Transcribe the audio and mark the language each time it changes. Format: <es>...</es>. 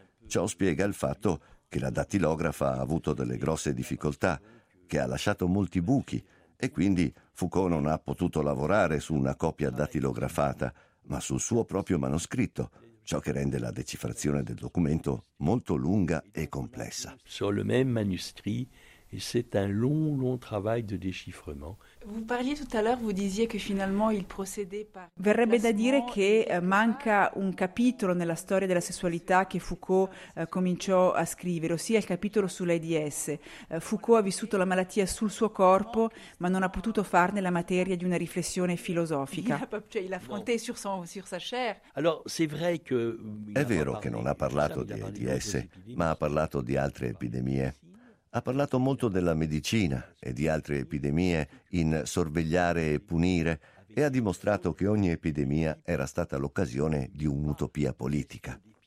<it>Ciò spiega il fatto che la dattilografa ha avuto delle grosse difficoltà, che ha lasciato molti buchi e quindi Foucault non ha potuto lavorare su una copia dattilografata, ma sul suo proprio manoscritto, ciò che rende la decifrazione del documento molto lunga e complessa.</it> <fr>Sur le même manuscrit, et c'est un long, long travail de déchiffrement. Vous parliez tout à l'heure, vous disiez que finalement il procédait par.</fr> <it>Verrebbe da dire che manca un capitolo nella storia della sessualità che Foucault cominciò a scrivere, ossia il capitolo sull'AIDS. Foucault ha vissuto la malattia sul suo corpo, ma non ha potuto farne la materia di una riflessione filosofica.</it> <fr>Il a affronté sur son sur sa chair. Alors, c'est vrai que.</fr> <it>È vero che non ha parlato di AIDS, ma ha parlato di altre epidemie. Ha parlato molto della medicina e di altre epidemie in sorvegliare e punire e ha dimostrato che ogni epidemia era stata l'occasione di un'utopia politica.</it>